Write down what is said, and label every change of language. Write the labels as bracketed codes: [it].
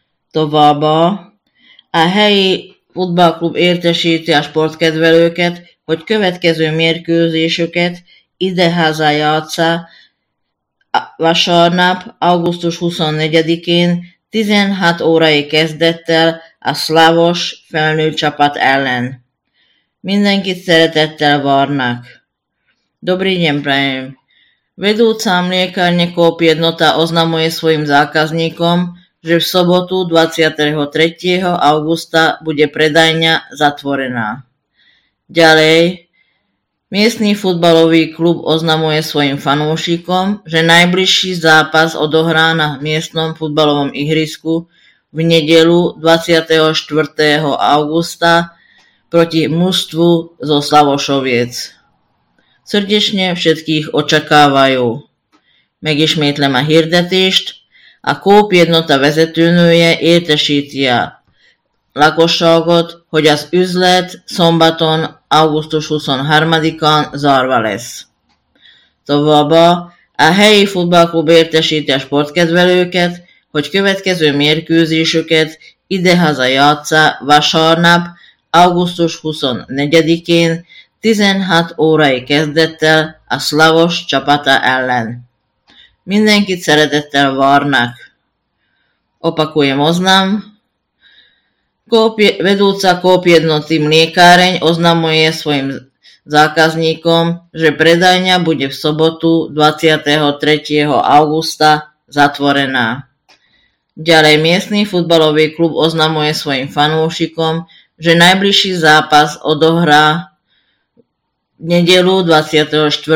[hu] Továbbá a helyi futballklub értesíti a sportkedvelőket, hogy következő mérkőzésüket idehaza játssza vasárnap, augusztus 24-én 16 órai kezdettel a szlávos felnőtt csapat ellen. Mindenkit szeretettel várnak. [sk] Dobrý deň, prajem. Vedúca mliekárne Coop jednota oznamuje svojim zákazníkom, že v sobotu 23. augusta bude predajňa zatvorená. Ďalej, miestny futbalový klub oznamuje svojim fanúšikom, že najbližší zápas odohrá na miestnom futbalovom ihrisku v nedeľu 24. augusta proti mužstvu zo Slavošoviec. Srdečne všetkých očakávajú. [hu] Megismétlem a hirdetést, a Coop jednota vezetőnője értesítia lakosságot, hogy az üzlet szombaton augusztus 23-án zárva lesz. Továbbá a helyi futballklub értesíti a sportkedvelőket, hogy következő mérkőzésüket idehaza játssza vasárnap, augusztus 24-én 16 órai kezdettel a szlávos csapata ellen. Mindenkit szeretettel várnak. [sk] Opakujem oznam. Vedúca Coop jednoty mliekáreň oznamuje svojim zákazníkom, že predajňa bude v sobotu 23. augusta zatvorená. Ďalej miestny futbalový klub oznamuje svojim fanúšikom, že najbližší zápas odohrá v nedeľu 24.